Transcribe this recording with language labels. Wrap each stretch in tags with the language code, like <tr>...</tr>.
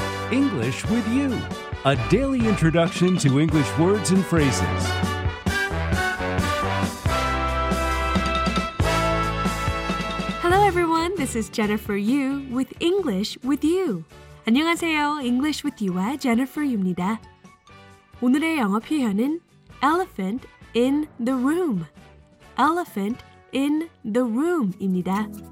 <en>English with you, a daily introduction to English words and phrases. Hello everyone, this is Jennifer Yu with English with you.</en> <ko>안녕하세요, English with you와 Jennifer Yu입니다. 오늘의 영어 표현은</ko> <en>elephant in the room.</en> <ko>Elephant in the room입니다.</ko>